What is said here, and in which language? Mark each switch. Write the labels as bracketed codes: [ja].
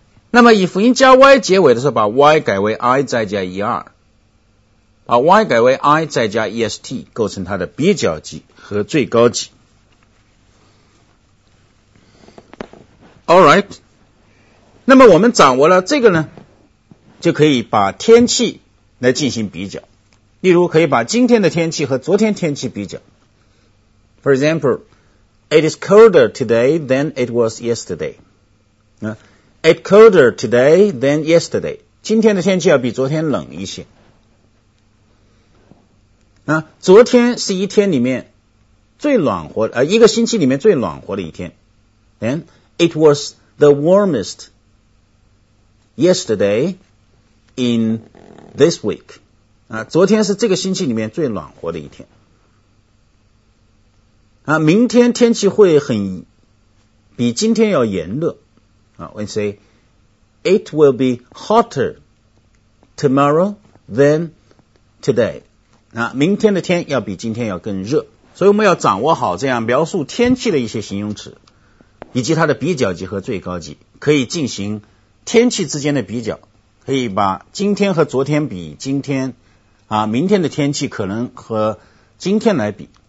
[zh] 那么以辅音加 y 结尾的时候，把 y 改为 i 再加 er， 把 y 改为 i 再加 est， 构成它的比较级和最高级。 [en] All right. [zh] 那么我们掌握了这个呢，就可以把天气来进行比较。例如，可以把今天的天气和昨天天气比较。 [en] For example. It is colder today than it was yesterday. It's colder today than yesterday. [zh] 今天的天气要比昨天冷一些。昨天是一天里面最暖和，一个星期里面最暖和的一天。 [en] And it was the warmest yesterday in this week. [zh] 昨天是这个星期里面最暖和的一天。明天天气会很比今天要炎热。 [en] We say, it will be hotter tomorrow than today. [zh] 明天的天要比今天要更热。所以我们要掌握好这样描述天气的一些形容词，以及它的比较级和最高级，可以进行天气之间的比较，可以把今天和昨天比今天，明天的天气可能和今天来比。